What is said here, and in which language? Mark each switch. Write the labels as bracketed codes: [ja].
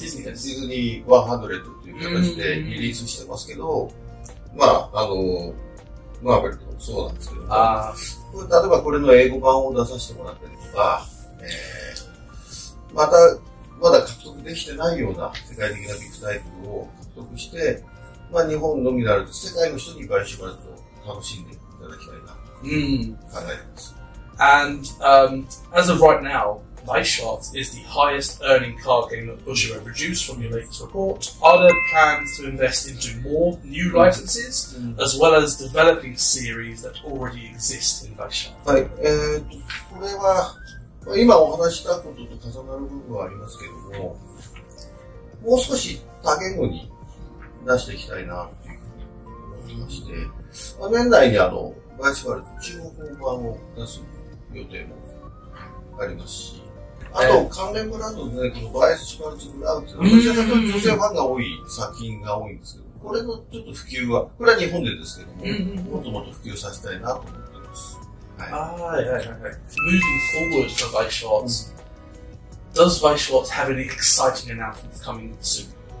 [ja] ディズニー100という形でリリースしてますけど、まあ、マーベルとかもそうなんですけども、例えばこれの英語版を出させてもらったりとか、また、まだ獲得できてないような世界的なビッグタイトルを獲得して、まあ、日本のみならず世界の人にバイシュバルトを楽しんでいただきたいなと考えています。 [en] And, as of right now, Weisschwarz is the highest earning card game that Bushiroad produced from your latest report. Are there plans to invest into more new licenses, as well as developing series that already exist in Weisschwarz? [ja] はい、これは、まあ、今お話したことと重なる部分はありますけども、もう少し多言語に出していきたいなっていうふうに思ってまして、まあ、年内にバイシュバルト中国語版を出す予定もありますし、あと関連ブランドでね、このバイスチカルツブラウっていうのは、どちらかというと女性ファンが多い作品が多いんですけど、これのちょっと普及は、これは日本でですけども、もっともっと普及させたいなと思っています。 [en] Moving forward for Weiss Schwartz, does Weiss Schwartz have any exciting announcements coming soon?